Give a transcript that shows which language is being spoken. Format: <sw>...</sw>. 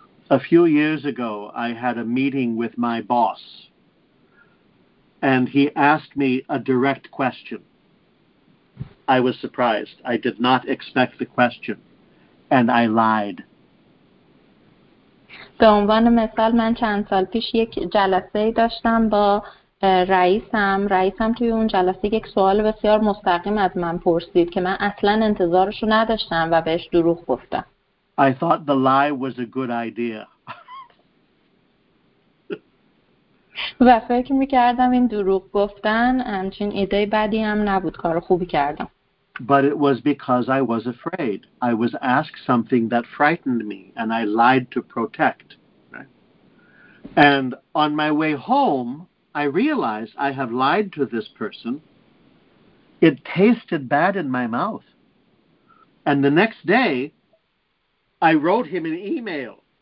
<en>A few years ago I had a meeting with my boss and he asked me a direct question. I was surprised. I did not expect the question and I lied.</en> <fa>به عنوان مثال من چند سال پیش یک جلسه داشتم با رئیسم توی اون جلسه یک سوال بسیار مستقیم از من پرسید که من اصلا انتظارشو نداشتم و بهش دروغ گفتم.</fa> <en>I thought the lie was a good idea.</en> <fa>و فکر میکردم این دروغ گفتن همچین ایده بدی هم نبود، کار خوبی کردم.</fa> <en>But it was because I was afraid. I was asked something that frightened me and I lied to protect. Right? And on my way home I realized I have lied to this person. It tasted bad in my mouth. And the next day, I wrote him an email.</en>